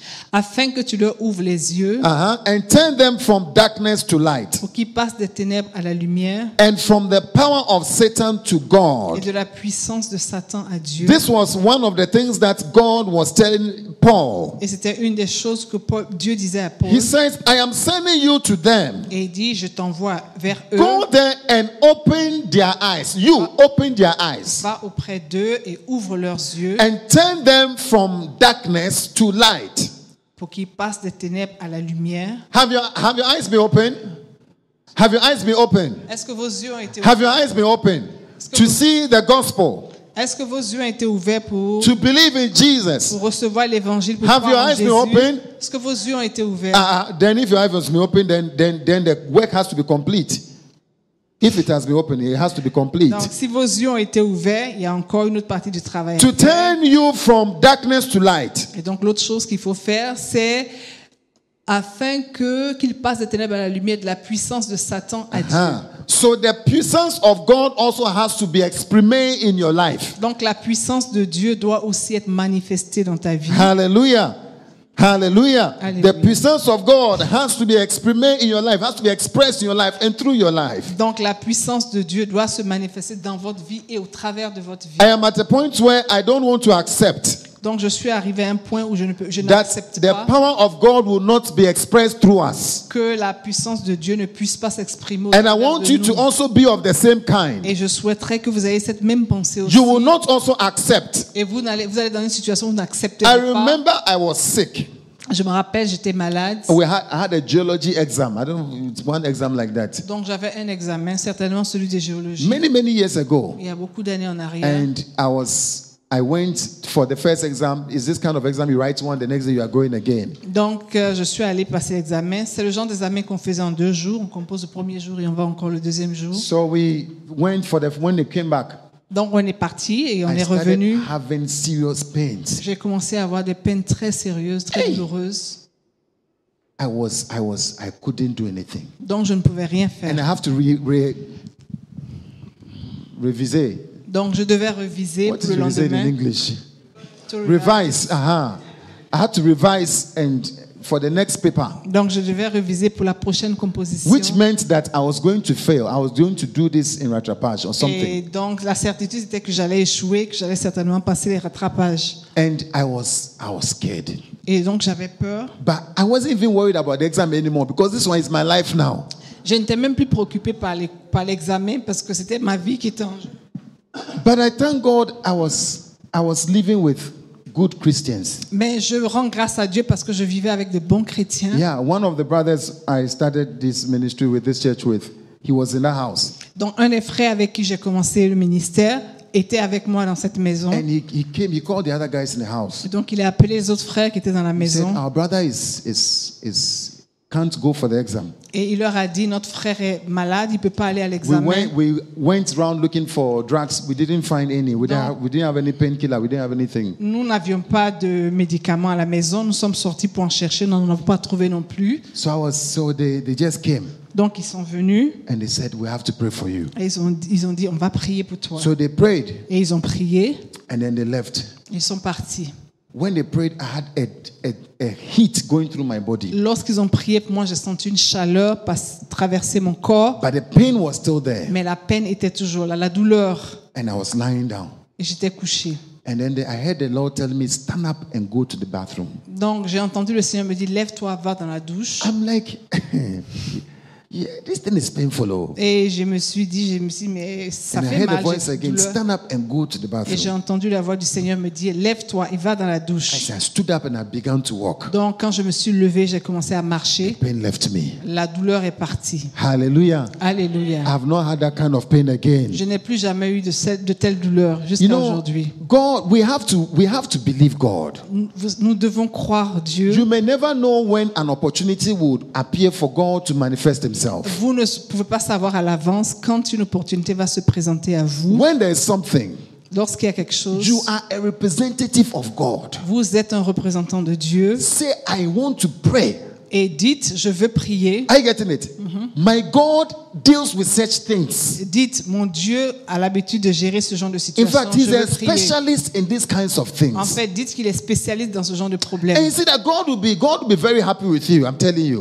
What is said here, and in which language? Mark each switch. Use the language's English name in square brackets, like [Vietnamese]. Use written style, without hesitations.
[French] Afin que tu leur ouvres les yeux. [English] Uh-huh, and turn them from darkness to light. [French] Pour qu'ils passent des ténèbres à la lumière. [English] And from the power of Satan to God. [French] Et de la puissance de Satan à Dieu. [English] This was one of the things that God was telling Paul. Paul. [French] Et c'était une des choses que Paul, Dieu disait à Paul. [English] He says, I am sending you to them. [French] Et il dit, je t'envoie vers eux. [English] Go there and open their eyes. You open their eyes. [French] Va auprès d'eux et ouvre leurs yeux. [English] And turn them from darkness to light. [French] Pour qu'ils passent des ténèbres à la lumière. [English] Have your eyes been open? Have your eyes been open? [French] Est-ce que vos yeux ont été ouverts? [English] Have your eyes been open to see the gospel? [French] Est-ce que vos yeux ont été ouverts pour [English] to believe in Jesus? [French] Pour recevoir l'évangile, pour [English] have [French] croire [English] your eyes [French] en [English] been [French] Jésus? [English] Open? [French] Est-ce que vos yeux ont été ouverts? [English] Then if your eyes have been open, then the work has to be complete. If it has been open, it has to be complete. [French] Donc, si vos yeux ont été ouverts, il y a encore une autre partie du travail. [English] To turn you from darkness to light. [French] Et donc, l'autre chose qu'il faut faire, c'est afin qu'il passe des ténèbres à la lumière de la puissance de Satan à Dieu. [English] So the [French] puissance [English] of God also has to be [French] exprimée [English] in your life. [French] Donc, la puissance de Dieu doit aussi être manifestée dans ta vie. [English] Hallelujah. Hallelujah. Hallelujah. The [French] puissance [English] of God has to be exprimed in your life, has to be expressed in your life and through your life. [French] Donc la puissance de Dieu doit se manifester dans votre vie et au travers de votre vie. [English] I am at a point where I don't want to accept. [French] Donc je suis arrivé à un point où je n'accepte pas. [English] The power of God will not be expressed through us. [French] Que la puissance de Dieu ne puisse pas s'exprimer. [English] And I want you to also be of the same kind. [French] Et je souhaiterais que vous ayez cette même pensée aussi. [English] You will not also accept. [French] Et vous allez dans une situation où vous n'acceptez pas. [English] I remember I was sick. [French] Je me rappelle, j'étais malade. [English] I had a geology exam. I don't know, it's one exam like that. [French] Donc j'avais un examen, certainement celui de géologie. [English] Many years ago. [French] Il y a beaucoup d'années en arrière. [English] And I went for the first exam. Is this kind of exam you write one, the next day you are going again? [French] Donc je suis allé passer l'examen. C'est le genre d'examen qu'on faisait en deux jours. On compose le premier jour et on va encore le deuxième jour. [English] So we went for the when it came back. [French] Donc on est parti et on est revenu. [English] I started having serious pains. [French] J'ai commencé à avoir des peines très sérieuses, très douloureuses. [English] I couldn't do anything. [French] Donc je ne pouvais rien faire. [English] And I have to [French] reviser. Donc je devais reviser [English] what [French] pour le lendemain. [English] In English? Revise. I had to revise and for the next paper. [French] Donc je devais réviser pour la prochaine composition. [English] Which meant that I was going to fail. I was going to do this in [French] rattrapage [English] or something. [French] Et donc la certitude était que j'allais échouer, que j'allais certainement passer les rattrapages. [English] And I was scared. [French] Et donc j'avais peur. [English] But I wasn't even worried about the exam anymore because this one is my life now. [French] Je n'étais même plus préoccupé par l'examen parce que c'était ma vie qui était en jeu. [English] But I thank God I was living with good Christians. [French] Mais je rends grâce à Dieu parce que je vivais avec de bons chrétiens. [English] Yeah, one of the brothers I started this ministry with, this church with, he was in that house. [French] Donc un des frères avec qui j'ai commencé le ministère était avec moi dans cette maison. [English] And he came, he called the other guys in the house. [French] Et donc il a appelé les autres frères qui étaient dans la maison. [English] He said, our brother is can't go for the exam. [French] Et il leur a dit, notre frère est malade, il ne peut pas aller à l'examen. [English] We went around looking for drugs, we didn't find any. We didn't have any painkiller, we didn't have anything. [French] Nous n'avions pas de médicaments à la maison, nous sommes sortis pour en chercher, nous n'en avons pas trouvé non plus. [English] So they just came. [French] Donc ils sont venus. [English] And they said, we have to pray for you. [French] Et ils ont dit, on va prier pour toi. [English] So they prayed. [French] Et ils ont prié. [English] And then they left. [French] Ils sont partis. [English] When they prayed, I had a heat going through my body. [French] Lorsqu'ils ont prié pour moi, j'ai senti une chaleur traverser mon corps. [English] But the pain was still there. [French] Mais la peine était toujours là, la douleur. [English] And I was lying down. [French] Et j'étais couché. [English] And then I heard the Lord tell me, stand up and go to the bathroom. [French] Donc j'ai entendu le Seigneur me dire, lève-toi, va dans la douche. [English] I'm like, yeah, this thing is painful. [French] Et je me suis dit, mais ça fait mal. [English] And I heard a voice again, stand up and go to the bathroom. [French] Et j'ai entendu la voix du Seigneur me dire, lève-toi et va dans la douche. [English] I stood up and I began to walk. [French] Donc quand je me suis levé, j'ai commencé à marcher. [English] The pain left me. [French] La douleur est partie. [English] Hallelujah. Hallelujah. I have not had that kind of pain again. [French] Je n'ai plus jamais eu de telle douleur jusqu'à [English] you know, [French] aujourd'hui. [English] God, we have to believe God. [French] Nous devons croire Dieu. [English] You may never know when an opportunity would appear for God to manifest himself. [French] Vous ne pouvez pas savoir à l'avance quand une opportunité va se présenter à vous. [English] When there is something, [French] lorsqu'il y a quelque chose, [English] you are a representative of God. [French] Vous êtes un représentant de Dieu. [English] Say, I want to pray. [French] Et dites, je veux prier. [English] Are you getting it? Mm-hmm. My God deals with such things. [French] Dites, mon Dieu a l'habitude de gérer ce genre de situation. [English] In fact, he's a specialist in these kinds of things. [French] En fait, dites qu'il est spécialiste dans ce genre de problème. [English] And you see that God will be very happy with you. I'm telling you.